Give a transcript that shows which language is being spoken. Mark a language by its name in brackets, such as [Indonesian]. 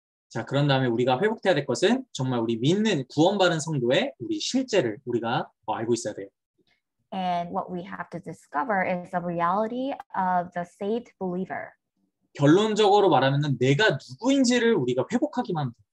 [Korean] 자, 그런 다음에 우리가 회복해야 될 것은 정말 우리 믿는 구원받은 성도의 우리 실제를 우리가 알고 있어야 돼요. [English] And what we have to discover is the reality of the saved believer. [Korean] 결론적으로 말하면은 내가 누구인지를 우리가 회복하기만 해요.